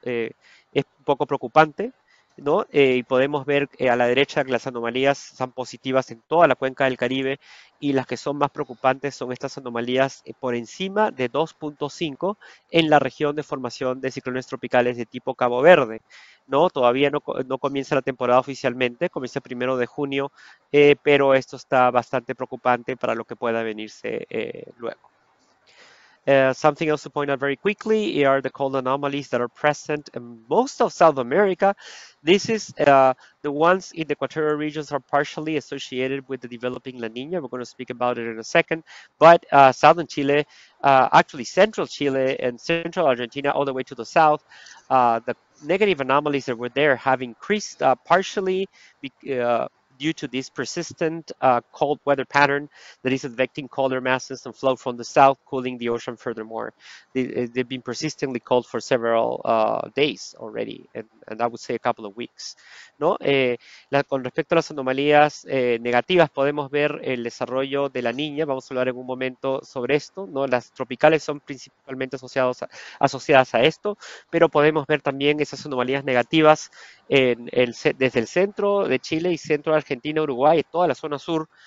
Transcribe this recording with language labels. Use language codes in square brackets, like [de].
[es] Es un poco preocupante, ¿no? Y podemos ver a la derecha que las anomalías son positivas en toda la cuenca del Caribe, y las que son más preocupantes son estas anomalías por encima de 2.5 en la región de formación de ciclones tropicales de tipo Cabo Verde. ¿No? Todavía no comienza la temporada oficialmente, comienza el 1 de junio, pero esto está bastante preocupante para lo que pueda venirse luego. [en] Something else to point out very quickly are the cold anomalies that are present in most of South America. This is the ones in the equatorial regions are partially associated with the developing La Niña. We're going to speak about it in a second. But southern Chile, actually central Chile and central Argentina, all the way to the south, the negative anomalies that were there have increased partially due to this persistent cold weather pattern that is affecting colder masses and flow from the south, cooling the ocean furthermore. They've been persistently cold for several days already, and I would say a couple of weeks. [es] ¿No? Con respecto a las anomalías negativas, podemos ver el desarrollo de la niña. Vamos a hablar en un momento sobre esto. ¿No? Las tropicales son principalmente asociadas a esto, pero podemos ver también esas anomalías negativas desde el centro de Chile y centro de Argentina, Uruguay, toda la zona sur.